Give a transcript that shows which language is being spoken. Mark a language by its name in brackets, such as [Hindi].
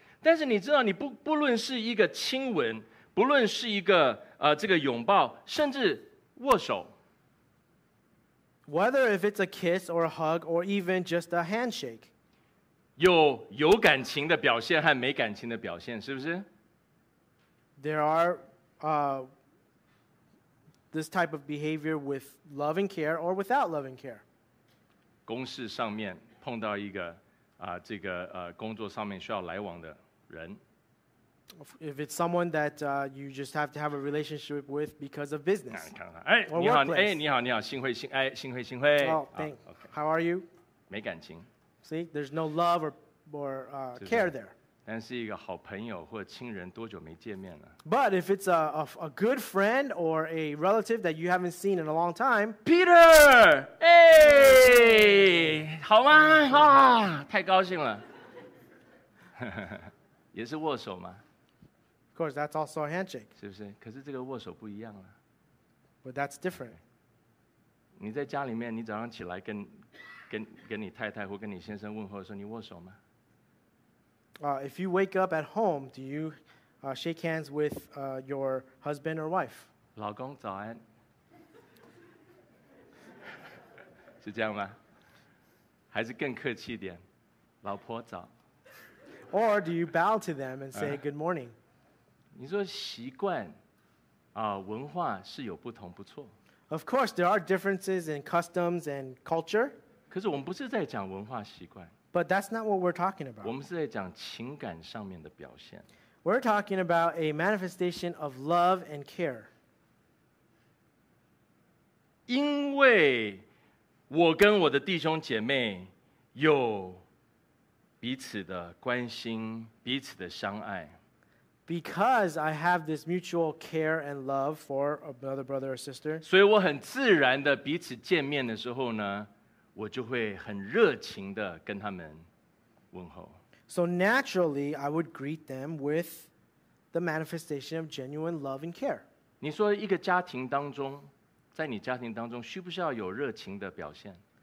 [Chinese] 但是你知道，你不论是一个亲吻，不论是一个这个拥抱，甚至握手。 [English] Whether if it's a kiss or a hug or even just a handshake. [Chinese] 有感情的表现和没感情的表现，是不是？ [English] There are this type of behavior with love and care or without love and care. [Chinese] 公事上面碰到一个这个工作上面需要来往的人。 [English] If it's someone that you just have to have a relationship with because of business. [Chinese] 看看哎，你好，哎，你好，你好，幸会，幸哎，幸会，幸会。 [English] Oh, thanks. Okay. How are you? [Chinese] 没感情。 [English] See, there's no love or care there. [Chinese] 但是一个好朋友或亲人多久没见面了 [English] ？But if it's a good friend or a relative that you haven't seen in a long time, [Chinese] Peter, hey, 好吗？啊，太高兴了，也是握手吗 [English] ？Of course, that's also a handshake. [Chinese] 是不是？可是这个握手不一样了。 [English] But that's different. [Chinese] 你在家里面，你早上起来跟你太太或跟你先生问候的时候，你握手吗？ [English] If you wake up at home, do you shake hands with your husband or wife? [Chinese] 老公早安，是这样吗？还是更客气一点，老婆早。 [English] Or do you bow to them and say good morning? [Chinese] 你说习惯文化是有不同，不错。 [English] Of course, there are differences in customs and culture. [Chinese] 可是我们不是在讲文化习惯。 [English] But that's not what we're talking about. [Chinese] 我们是在讲情感上面的表现。 [English] We're talking about a manifestation of love and care. [Chinese] 因为我跟我的弟兄姐妹有彼此的关心，彼此的相爱。 [English] Because I have this mutual care and love for another brother or sister. [Chinese] 所以我很自然的彼此见面的时候呢我就会很热情地跟他们问候。 [English] So naturally, I would greet them with the manifestation of genuine love and care. [Chinese] 你说一个家庭当中，在你家庭当中，需不需要有热情的表现？